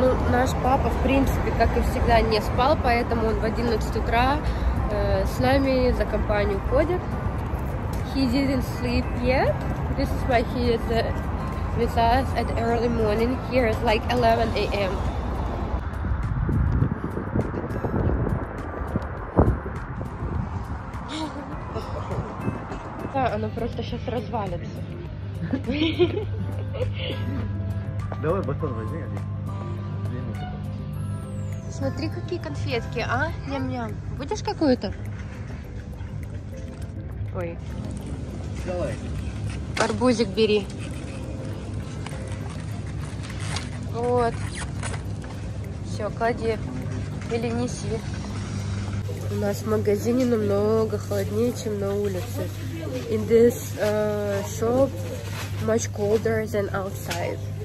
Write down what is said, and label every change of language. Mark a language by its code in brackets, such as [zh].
[ru] Наш папа, в принципе, как и всегда, не спал, поэтому он в 11 утра с нами за компанию ходит. [en] He didn't sleep yet. This is why he is with us at early morning. Here is like 11 a.m. [ru] Да, оно просто сейчас развалится. Давай батон возьми один. Смотри, какие конфетки, а? Ням-ням. Будешь какую-то? Ой. Давай. Арбузик бери. Вот. Все, клади. Или неси. У нас в магазине намного холоднее, чем на улице. [en] In this shop much colder than outside.